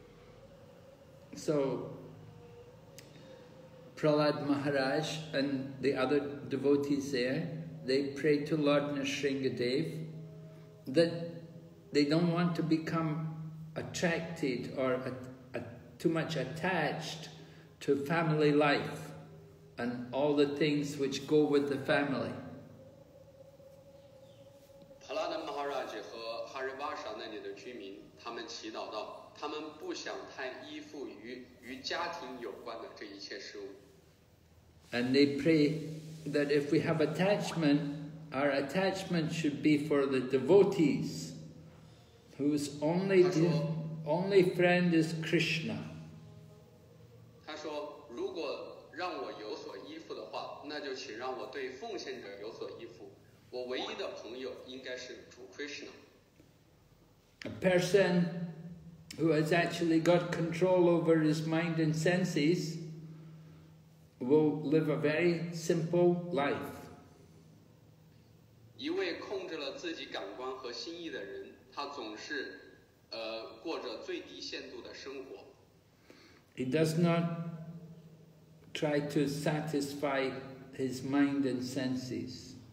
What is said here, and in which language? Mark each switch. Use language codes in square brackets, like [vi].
[zh] 上一次我们讲述的是来自哈瑞巴沙那里的居民，由帕拉德马哈拉吉代表的那里的居民向主尼辛哈德巴供奉的祷文。So, [en] Prahlad Maharaj and the other devotees there, they pray to Lord Nrisingadev that they don't want to become attracted or too much attached to family life and all the things which go with the family. [zh] Prahlad Maharaj and Harivarsha那里的居民，他们祈祷道， 他们不想太依附于家庭有关的这一切事物。 [en] And they pray that if we have attachment, our attachment should be for the devotees, whose only friend is Krishna. [zh] 他说， 如果让我有所依附的话，那就请让我对奉献者有所依附。我唯一的朋友应该是主Krishna. [en] A person who has actually got control over his mind and senses will live a very simple life. [zh] 一位控制了自己感官和心意的人，他总是过着最低限度的生活。 [en] He does not try to satisfy his mind and senses.